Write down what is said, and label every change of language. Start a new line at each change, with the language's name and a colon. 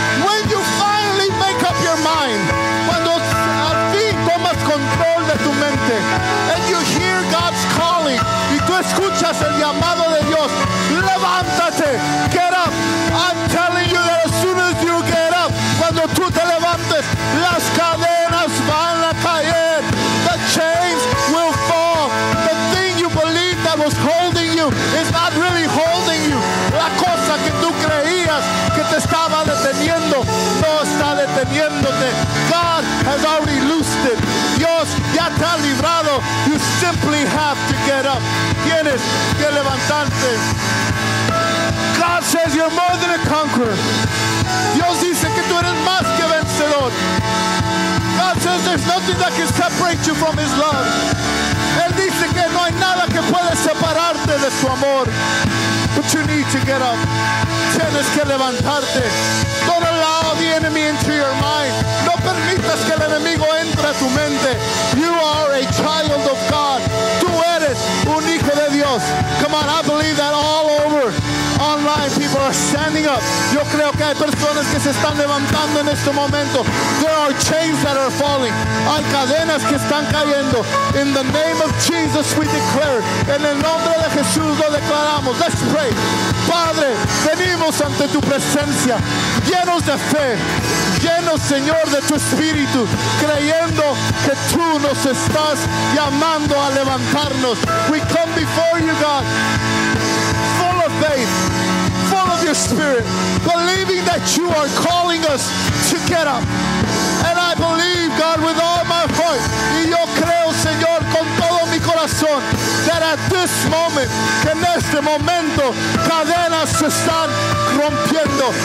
English: When you finally make up your mind,
Spanish: cuando a ti tomas control de tu mente,
English: and you hear God's calling,
Spanish: y tú escuchas el llamado de Dios, levántate,
English: get up. I'm telling you that as soon as you get up,
Spanish: cuando tú te levantes, las cadenas van a caer.
English: The chains will fall. The thing you believe that was holding you is not really holding you.
Spanish: La cosa que tú creías que te estaba deteniendo, no está deteniéndote.
English: God has already loosed it.
Spanish: Dios ya te ha librado.
English: You simply have to get up.
Spanish: Tienes que levantarte.
English: God says you're more than a conqueror. Dios dice que tú eres más que vencedor. God says there's nothing that can separate you from his love. Él dice que no hay nada que puede separarte de su amor. But you need to get up.
Spanish: Tienes que levantarte.
English: Don't allow the enemy into your mind.
Spanish: No permitas que el enemigo entre a tu mente.
English: You are a child of God.
Spanish: Tú eres un hijo de Dios.
English: Come on, I believe that all over. Online, people are standing up.
Spanish: Yo creo que hay personas que se están levantando en este momento.
English: There are chains that are falling.
Spanish: Hay cadenas que están cayendo.
English: In the name of Jesus, we declare.
Spanish: En el nombre de Jesús lo declaramos.
English: Let's pray.
Spanish: Padre, venimos ante tu presencia, llenos de fe, llenos, Señor, de tu espíritu, creyendo que tú nos estás llamando a levantarnos.
English: We come before you, God. Faith, full of your spirit, believing that you are calling us to get up. And I believe, God, with all my heart,
Spanish: y yo creo, Señor, con todo mi corazón,
English: that at this moment,
Spanish: en este momento, cadenas se están rompiendo.